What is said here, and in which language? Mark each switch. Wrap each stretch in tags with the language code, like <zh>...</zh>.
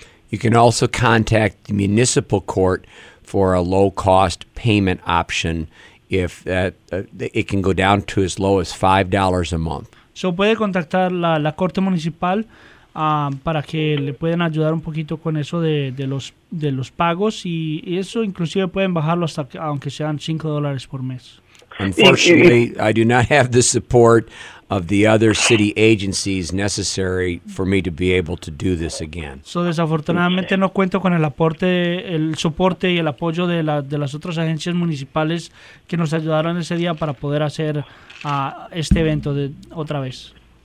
<en>You can also contact the municipal court for a low-cost payment option if it can go down to as low as $5 a month.</en> <es>So puede contactar la corte municipal para que le puedan ayudar un poquito con eso de los pagos y eso inclusive pueden bajarlo hasta aunque sean $5 por mes.</es> <en>Unfortunately, I do not have the support of the other city agencies necessary for me to be able to do this again.</en> <es>So, desafortunadamente, no cuento con el soporte y el apoyo de las otras agencias municipales que nos ayudaron ese día para poder hacer este evento de otra vez.</es>